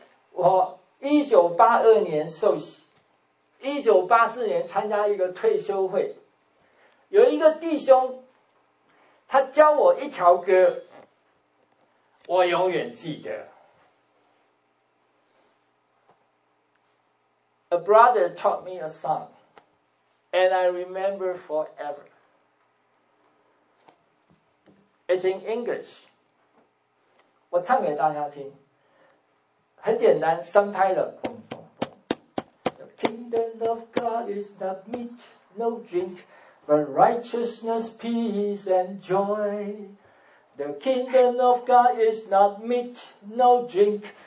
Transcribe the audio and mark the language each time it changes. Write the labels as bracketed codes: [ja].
[zh] 我1982年受洗，1984年参加一个退休会，有一个弟兄，他教我一条歌，我永远记得。 [en] A brother taught me a song, and I remember forever. It's in English. [zh] 我唱给大家听，很简单，三拍的。 [en] The kingdom of God is not meat, no drink, but righteousness, peace, and joy. The kingdom of God is not meat, no drink.